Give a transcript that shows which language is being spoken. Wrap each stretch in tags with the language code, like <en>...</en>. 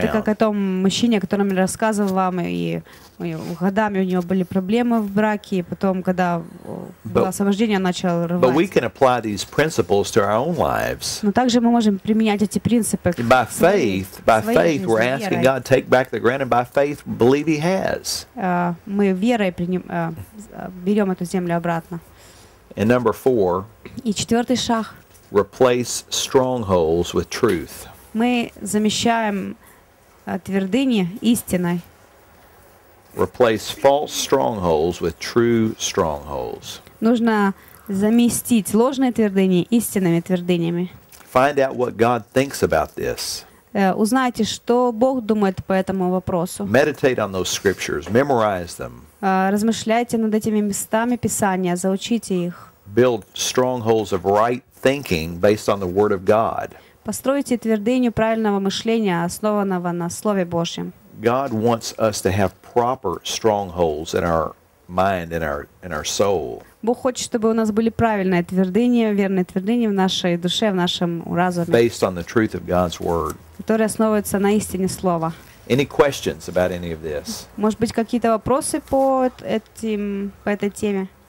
<ru>Это как о том мужчине, о котором я рассказывал вам, и годами у него были проблемы в браке, и потом, когда было освобождение, он начал рвать.</ru> <en>But we can apply these principles to our own lives.</en> <ru>Но также мы можем применять эти принципы к своей жизни.</ru> <en>By faith, we're asking God to take back the ground, and by faith, believe He has.</en> <ru>Мы верой берем эту землю обратно.</ru> <en>And number four.</en> <ru>И четвертый шаг.</ru> <en>Replace strongholds with truth.</en> <ru>Мы замещаем твердыни истиной.</ru> <en>Replace false strongholds with true strongholds.</en> <ru>Нужно заместить ложные твердыни истинными твердынями.</ru> <en>Find out what God thinks about this.</en> <ru>Узнайте, что Бог думает по этому вопросу.</ru> <en>Meditate on those scriptures, memorize them.</en> <ru>Размышляйте над этими местами Писания, заучите их.</ru> <en>Build strongholds of right thinking based on the Word of God.</en> <ru>Постройте твердыню правильного мышления, основанного на Слове Божьем.</ru> <en>God wants us to have proper strongholds in our mind, in our soul.</en> <ru>Бог хочет, чтобы у нас были правильные твердыни, верные твердыни в нашей душе, в нашем разуме.</ru> <en>Based on the truth of God's Word.</en> <ru>Которые основываются на истине Слова.</ru> <en>Any questions about any of this?</en> <ru>Может быть, какие-то вопросы по этой теме?</ru>